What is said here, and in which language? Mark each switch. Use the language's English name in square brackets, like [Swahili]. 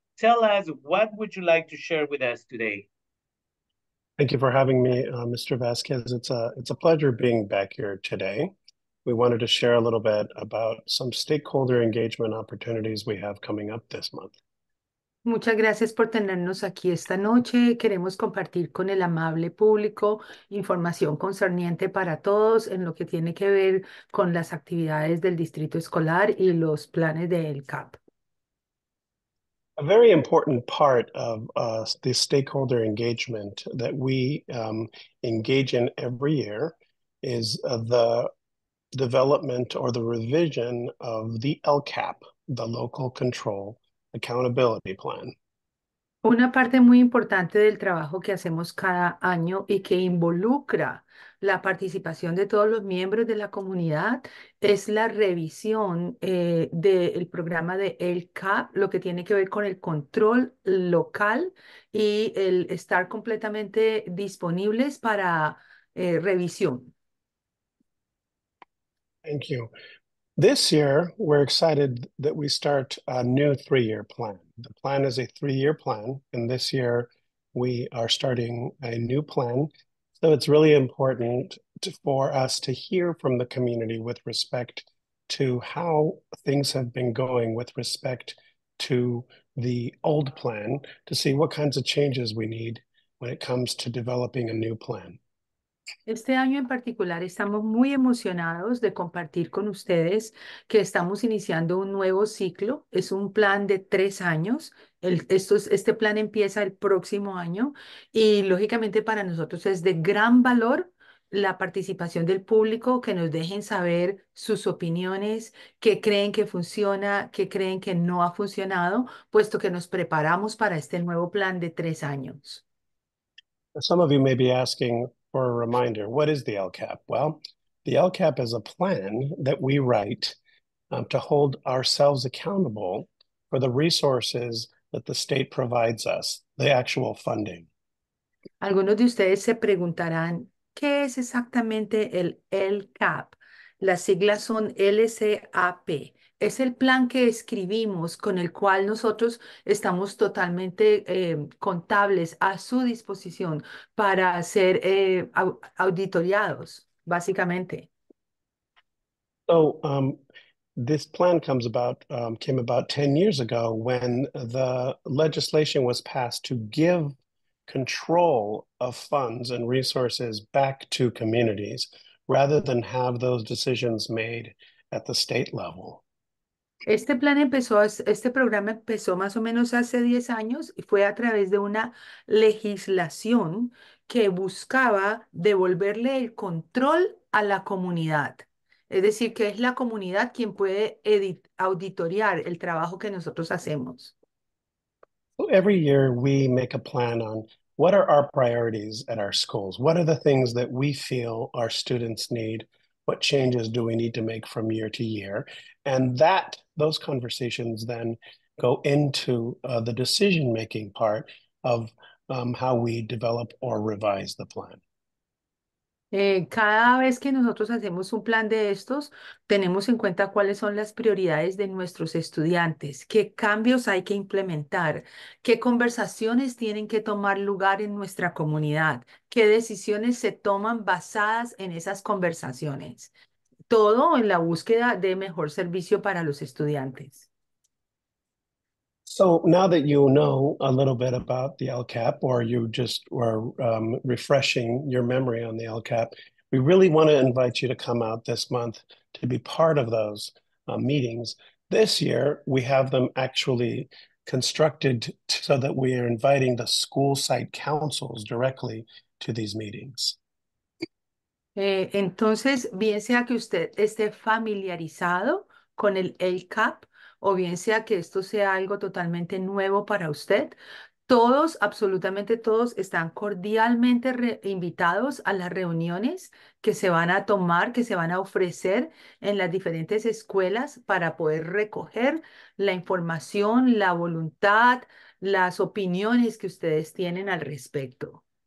[English] Tell us, what would you like to share with us today? Thank you for having me, Mr. Vasquez. It's a pleasure being back here today. We wanted to share a little bit about some stakeholder engagement opportunities we have coming up this month. [Spanish] Muchas gracias por tenernos aquí esta noche. Queremos compartir con el amable público información concerniente para todos en lo que tiene que ver con las actividades del distrito escolar y los planes del CAP. [English] A very important part of the stakeholder engagement that we engage in every year is the development or the revision of the LCAP, the Local Control Accountability Plan. [Spanish] Una parte muy importante del trabajo que hacemos cada año y que involucra la participación de todos los miembros de la comunidad es la revisión del programa de el CAP, lo que tiene que ver con el control local y el estar completamente disponibles para revisión. [English] Thank you. This year, we're excited that we start a new 3-year plan. The plan is a 3-year plan, and this year we are starting a new plan. So it's really important for us to hear from the community with respect to how things have been going with respect to the old plan to see what kinds of changes we need when it comes to developing a new plan. [Spanish] Este año en particular estamos muy emocionados de compartir con ustedes que estamos iniciando un nuevo ciclo. Es un plan de 3 años. Este plan empieza el próximo año y lógicamente para nosotros es de gran valor la participación del público, que nos dejen saber sus opiniones, qué creen que funciona, qué creen que no ha funcionado, puesto que nos preparamos para este nuevo plan de 3 años. [English] Some of you may be asking for a reminder, what is the LCAP? Well, the LCAP is a plan that we write to hold ourselves accountable for the resources that the state provides us, the actual funding. [Spanish] Algunos de ustedes se preguntarán, ¿qué es exactamente el LCAP? Las siglas son LCAP. Es el plan que escribimos con el cual nosotros estamos totalmente contables a su disposición para ser auditoriados, básicamente. [English] So this plan comes about came about 10 years ago when the legislation was passed to give control of funds and resources back to communities rather than have those decisions made at the state level. [Spanish] Este programa empezó más o menos hace 10 años y fue a través de una legislación que buscaba devolverle el control a la comunidad. Es decir, que es la comunidad quien puede auditoriar el trabajo que nosotros hacemos. [English] Every year we make a plan on what are our priorities at our schools? What are the things that we feel our students need? What changes do we need to make from year to year? And that those conversations then go into the decision-making part of how we develop or revise the plan. [Spanish] Cada vez que nosotros hacemos un plan de estos, tenemos en cuenta cuáles son las prioridades de nuestros estudiantes, qué cambios hay que implementar, qué conversaciones tienen que tomar lugar en nuestra comunidad, qué decisiones se toman basadas en esas conversaciones. Todo en la búsqueda de mejor servicio para los estudiantes. [English] So now that you know a little bit about the LCAP, or you just were refreshing your memory on the LCAP, we really want to invite you to come out this month to be part of those meetings. This year, we have them actually constructed so that we are inviting the school site councils directly to these meetings. [Spanish] Entonces, bien sea que usted esté familiarizado con el LCAP o bien sea que esto sea algo totalmente nuevo para usted, todos, absolutamente todos, están cordialmente invitados a las reuniones que se van a tomar, que se van a ofrecer en las diferentes escuelas para poder recoger la información, la voluntad, las opiniones que ustedes tienen al respecto.